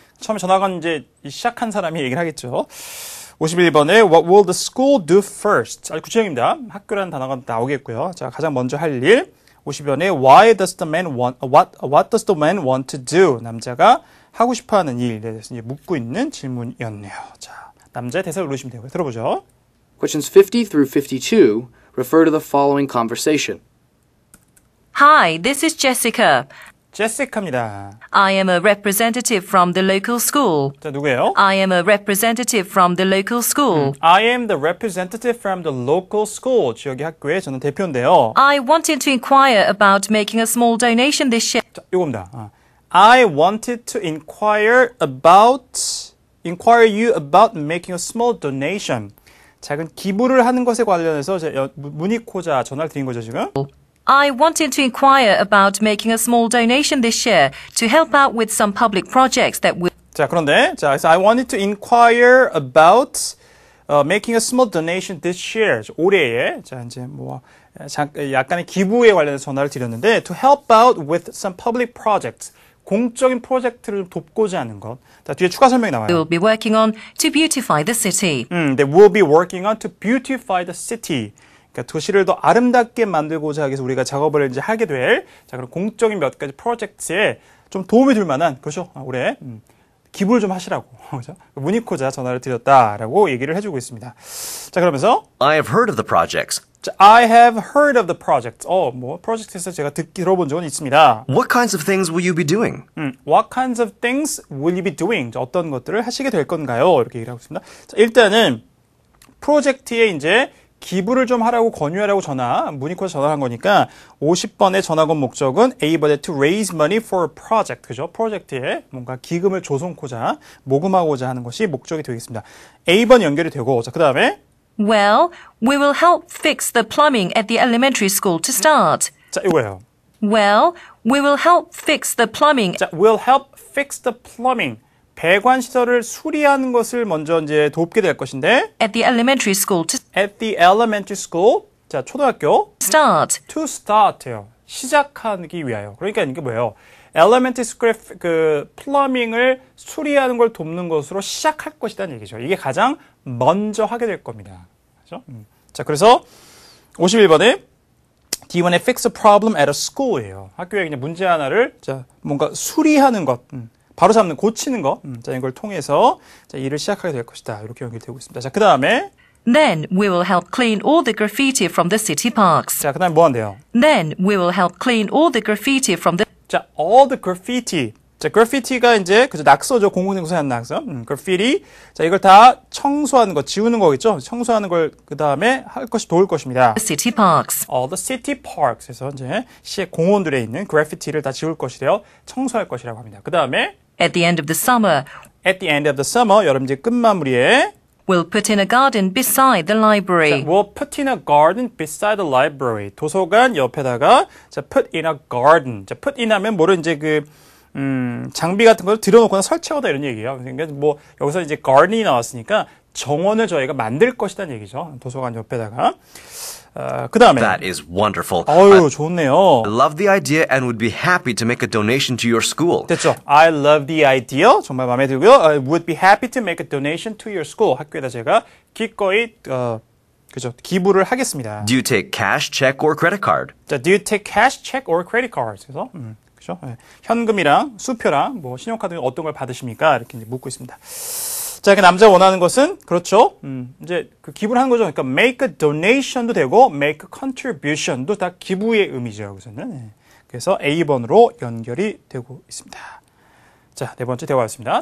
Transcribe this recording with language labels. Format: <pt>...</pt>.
<ko>처음에 전화가 이제 시작한 사람이 얘기를 하겠죠.</ko> <en>51번에 What will the school do first?</en> <ko>아주 구체적입니다. 학교라는 단어가 나오겠고요. 자, 가장 먼저 할 일.</ko> <en>50번에 Why does the man want, what does the man want to do?</en> <ko>남자가 하고 싶어 하는 일에 대해서 이제 묻고 있는 질문이었네요. 자, 남자의 대사를 누르시면 되고요. 들어보죠.</ko> <en>Questions 50 through 52 refer to the following conversation. Hi, this is Jessica.</en> <ko>Jessica입니다.</ko> <en>I am a representative from the local school.</en> <ko>자, 누구예요?</ko> <en>I am a representative from the local school. I am the representative from the local school.</en> <ko>지역의 학교에 저는 대표인데요.</ko> <en>I wanted to inquire about making a small donation this year.</en> <ko>자, 이겁니다.</ko> <en>I wanted to inquire you about making a small donation.</en> <ko>작은 기부를 하는 것에 관련해서 문의코자 전화를 드린 거죠, 지금?</ko> <en>I wanted to inquire about making a small donation this year to help out with some public projects that we...</en> <ko>자, 그런데,</ko> <en>자, so I wanted to inquire about making a small donation this year.</en> <ko>올해에, 자, 이제 뭐, 약간의 기부에 관련해서 전화를 드렸는데,</ko> <en>to help out with some public projects.</en> <ko>공적인 프로젝트를 돕고자 하는 것. 자, 뒤에 추가 설명이 나와요.</ko> <en>We'll be working on to beautify the city. They will be working on to beautify the city.</en> <ko>그러니까 도시를 더 아름답게 만들고자 하기 위해서 우리가 작업을 이제 하게 될 자, 그런 공적인 몇 가지 프로젝트에 좀 도움이 될 만한 그렇죠? 올해 기부를 좀 하시라고 그렇죠? 문의코자 전화를 드렸다라고 얘기를 해주고 있습니다. 자 그러면서</ko> <en>I have heard of the projects. I have heard of the projects.</en> <ko>뭐 프로젝트에서 제가 들어본 적은 있습니다.</ko> <en>What kinds of things will you be doing? What kinds of things will you be doing?</en> <ko>자, 어떤 것들을 하시게 될 건가요? 이렇게 얘기를 하고 있습니다. 자, 일단은 프로젝트에 이제 기부를 좀 하라고 권유하라고 전화, 문의코에서 전화한 거니까 50번의 전화건 목적은</ko> <en>able to raise money for a project,</en> <ko>그죠? 프로젝트에 뭔가 기금을 조성코자, 모금하고자 하는 것이 목적이 되겠습니다. A번 연결이 되고, 자, 그 다음에</ko> <en>Well, we will help fix the plumbing at the elementary school to start.</en> <ko>자, 이거예요.</ko> <en>Well, we will help fix the plumbing. 자, we'll help fix the plumbing.</en> <ko>배관 시설을 수리하는 것을 먼저 이제 돕게 될 것인데</ko> <en>at the elementary school to at the elementary school 자</en> <ko>초등학교</ko> <en>start</en> <ko>to start요 시작하기 위하여 그러니까 이게 뭐예요 elementary school 그 plumbing을 수리하는 걸 돕는 것으로 시작할 것이라는 얘기죠 이게 가장 먼저 하게 될 겁니다 그렇죠 자 그래서 51번에</ko> <en>Do you want to fix a problem at a school</en> <ko>예요 학교에 그냥 문제 하나를 자 뭔가 수리하는 것 바로 잡는, 고치는 것. 자, 이걸 통해서 자, 일을 시작하게 될 것이다. 이렇게 연결되고 있습니다. 자, 그 다음에</ko> <en>Then we will help clean all the graffiti from the city parks.</en> <ko>자, 그 다음에 뭐 한대요?</ko> <en>Then we will help clean all the graffiti from the</en> <ko>자,</ko> <en>all the graffiti.</en> <ko>자, graffiti가 이제 그 낙서죠. 공공연구소에 한 낙서. graffiti. 자, 이걸 다 청소하는 것, 지우는 거겠죠? 청소하는 걸 그 다음에 할 것이 도울 것입니다.</ko> <en>The city parks. All the city parks.</en> <ko>에서 이제 시의 공원들에 있는 graffiti를 다 지울 것이래요. 청소할 것이라고 합니다. 그 다음에</ko> <en>At the end of the summer. At the end of the summer.</en> <ko>여름 이제 끝마무리에</ko> <en>We'll put in a garden beside the library. 자, we'll put in a garden beside the library.</en> <ko>도서관 옆에다가 자, put in a garden. 자, put in 하면 뭐를 이제 그 장비 같은 걸 들여놓거나 설치하다 이런 얘기예요. 그러니까 뭐 여기서 이제 garden이 나왔으니까 정원을 저희가 만들 것이란 얘기죠. 도서관 옆에다가. 그다음에</ko> <en>That is wonderful.</en> <ko>아유, 좋네요.</ko> <en>I love the idea and would be happy to make a donation to your school.</en> <ko>됐죠.</ko> <en>I love the idea.</en> <ko>정말 마음에 들고요.</ko> <en>I would be happy to make a donation to your school.</en> <ko>학교에다 제가 기꺼이 그죠? 기부를 하겠습니다.</ko> <en>Do you take cash, check or credit card? 자, do you take cash, check or credit cards?</en> <ko>그래서 그렇죠? 네. 현금이랑 수표랑 뭐 신용카드 어떤 걸 받으십니까? 이렇게 이제 묻고 있습니다. 자, 그 남자 원하는 것은 그렇죠. 이제 그 기부를 하는 거죠. 그러니까 make a donation도 되고 make a contribution도 다 기부의 의미죠. 여기서는. 네. 그래서 A번으로 연결이 되고 있습니다. 자, 네 번째 대화였습니다.</ko>